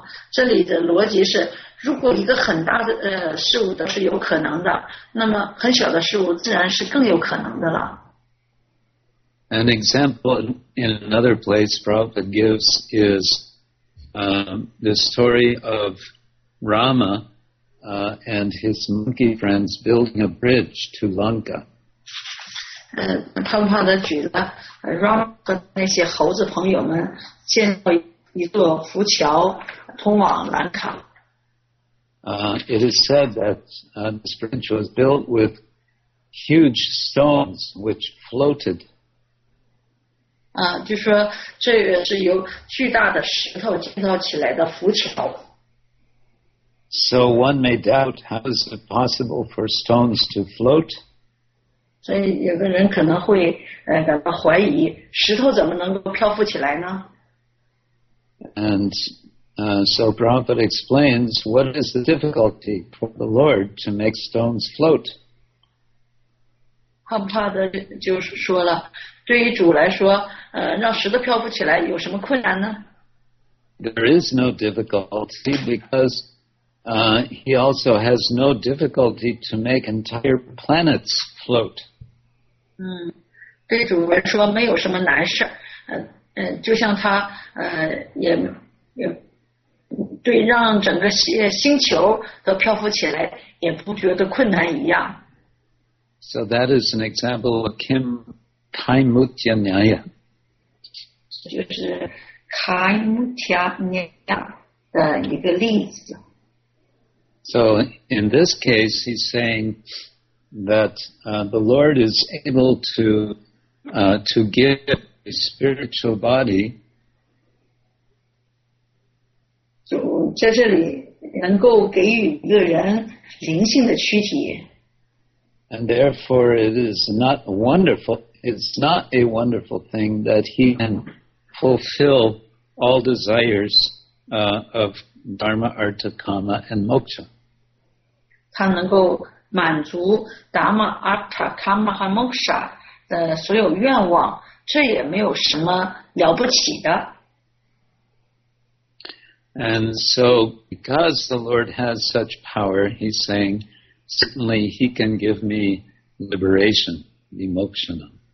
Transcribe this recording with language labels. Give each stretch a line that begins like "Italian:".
Chinese: 这里的逻辑是，如果一个很大的事物都是有可能的，那么很小的事物自然是更有可能的了。
English: An example in another place Prabhupada gives is the story of Rama and his monkey friends building a bridge to Lanka.
Chinese: Prabhupada 举了 Rama 和那些猴子朋友们建造一座浮桥通往兰卡。
English: It is said that this bridge was built with huge stones which floated.
Chinese: 就说这个是由巨大的石头建造起来的浮桥。
English: So one may doubt how is it possible for stones to float?
Chinese: 所以有个人可能会感到怀疑，石头怎么能够漂浮起来呢？
English: And so Prabhupada explains what is the difficulty for the Lord to make stones float.
Chinese: 汉帕德就说了，对于主来说，让石头漂浮起来有什么困难呢？
English: There is no difficulty because he also has no difficulty to make entire planets float.
Chinese: 对主来说没有什么难事，就像他也对让整个星球都漂浮起来也不觉得困难一样。
English: So that is an example of Kim Kaimutya Nyaya.
Chinese: 就是 Kaimutya Nyaya 的一个例子。
English: So in this case, he's saying that the Lord is able to give a spiritual body.
Chinese: 就在这里能够给予一个人灵性的躯体。
English: And therefore, it is not wonderful. It's not a wonderful thing that he can fulfill all desires of dharma, artha, kama, and moksha.
Chinese: 他能够满足达玛、阿塔、卡玛和穆沙的所有愿望，这也没有什么了不起的。
English: And so, because the Lord has such power, he's saying. Certainly, he can give me liberation, vimokshana.